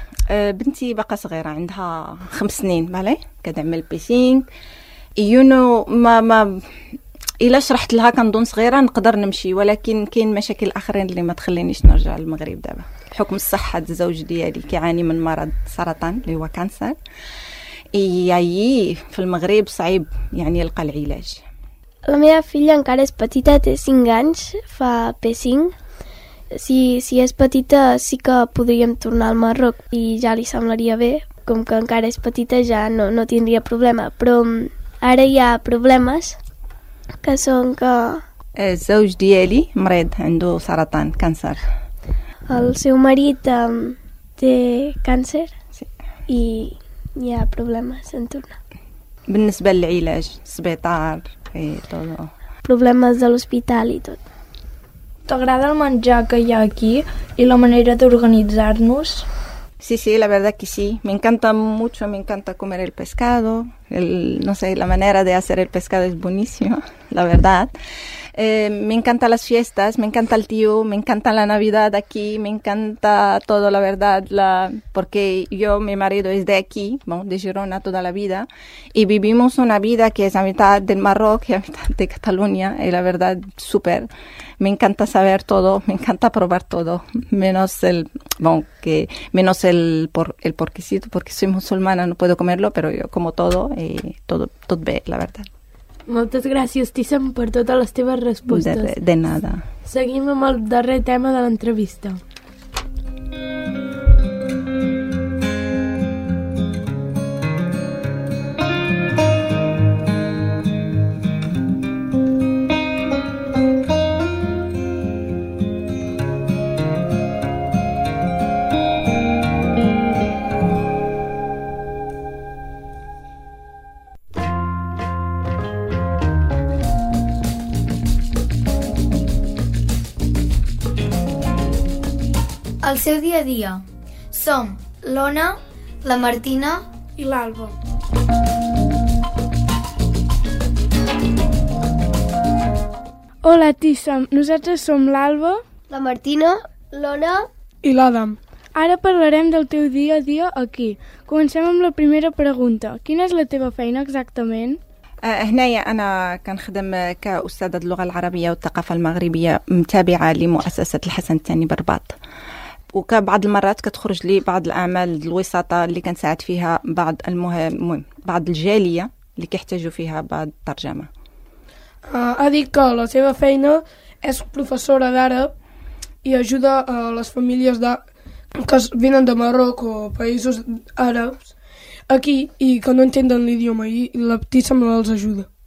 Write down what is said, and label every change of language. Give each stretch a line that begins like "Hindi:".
Arabic: بنتي باقا صغيرة عندها 5 سنين بالي كتعمل بيسينغ يونو ما إلا شرحت لها كنظن صغيرة نقدر نمشي ولكن كاين مشاكل آخرين اللي ما تخلينيش نرجع للمغرب دابا بحكم الصحة الزوج ديالي كيعاني من مرض سرطان اللي هو كانسر إي في المغرب صعيب يعني يلقى العلاج.
Catalan: La meva filla encara és petita, té 5 anys, fa P5. Si és petita, sí que podríem tornar al Marroc i ja li semblaria bé. Com que encara és petita, ja no tindria problema. Però ara hi ha problemes, que són que... El seu diari, mret, endo saratan, càncer. El seu marit té càncer, sí. I hi ha problemes en tornar.
Arabic: بالنسبه للعلاج سبيطار اي طولو
Catalan: problemes de l'hospital i tot. T'agrada el menjar que hi ha aquí i la manera d'organitzar-nos?
Spanish: Sí, la verdad que sí, me encanta mucho, me encanta comer el pescado, no sé, la manera de hacer el pescado es buenísimo, la verdad. Me encantan las fiestas, me encanta el tío, me encanta la Navidad aquí, me encanta todo, la verdad, porque yo, mi marido es de aquí, bueno, de Girona toda la vida, y vivimos una vida que es a mitad del Marroc y a mitad de Cataluña, y la verdad, súper. Me encanta saber todo, me encanta probar todo, menos el porquecito, porque soy musulmana, no puedo comerlo, pero yo como todo, y todo bien, la verdad.
Catalan: Moltes gràcies, Tissam, per totes les teves respostes.
Spanish: De nada.
Catalan: Seguim amb el darrer tema de l'entrevista. El seu dia a dia. Som l'Ona, la Martina i l'Alba. Hola, Tissam. Nosaltres som l'Alba, la Martina, l'Ona i l'Adam. Ara parlarem del teu dia a dia aquí. Comencem amb la primera pregunta. Quina és la teva feina exactament?
Arabic: هنايا انا كنخدم كاستاذه اللغه العربيه والثقافه المغربيه متابعه لمؤسسه الحسن الثاني بالرباط. وكبعض المرات كتخرج لي بعض الاعمال الوساطه اللي كنساعد فيها بعض المهم بعض الجاليه اللي كيحتاجوا فيها بعض الترجمة.
Catalan: Ha dit que la seva feina és professora d'àrab i ajuda a les famílies de, que venen de Marroc o països àrabs aquí i que no entenen l'idioma i la petita me els ajuda.